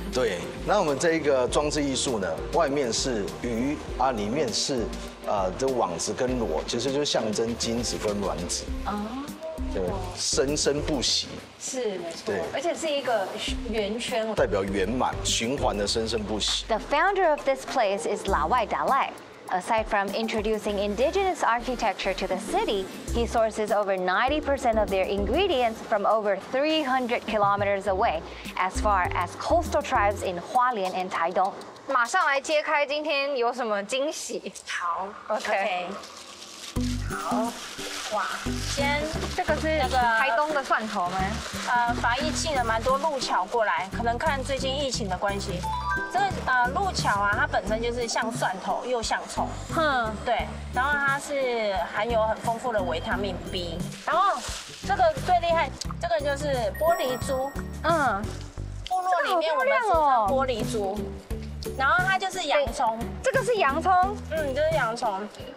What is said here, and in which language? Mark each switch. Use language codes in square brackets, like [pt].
[zh] 对，那我们这一个装置艺术呢，外面是鱼啊，里面是这网子跟螺，其实就象征精子跟卵子。哦，对，生生不息。是，没错。对，而且是一个圆圈。代表圆满循环的生生不息。 [en] The founder of this place is 老外达赖。 Aside from introducing indigenous architecture to the city, he sources over 90% of their ingredients from over 300 kilometers away, as far as coastal tribes in Hualien and Taidong. [zh] 马上来揭开今天有什么惊喜。好，OK。好，哇，先这个是台东的蒜头吗？防疫进了蛮多鹿巧过来，可能看最近疫情的关系。这鹿巧啊，它本身就是像蒜头又像葱。哼，对，然后它是含有很丰富的维他命 B， 然后这个最厉害，这个就是玻璃珠。嗯，部落里面我们是叫玻璃珠，然后它就是洋葱。这个是洋葱？嗯，就是洋葱。